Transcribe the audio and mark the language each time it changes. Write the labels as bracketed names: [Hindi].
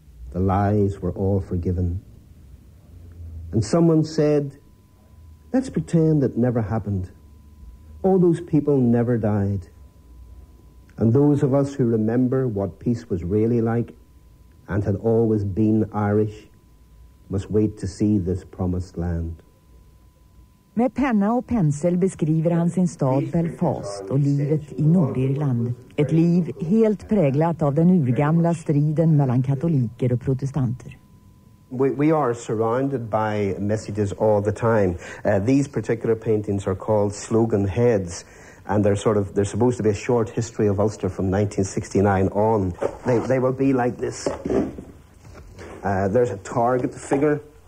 [English] The lies were all forgiven. And someone said, let's pretend it never happened. All those people never died. And those of us who remember what peace was really like and had always been Irish must wait to see this promised land. [Swedish] Med penna och pensel beskriver han sin stad Belfast och livet i Nordirland. Ett liv helt präglat av den urgamla striden mellan katoliker och protestanter. [English] We are surrounded by messages all the time. These particular paintings are called slogan heads, and they're supposed to be a short history of Ulster from 1969 on. They will be like this. There's a target figure.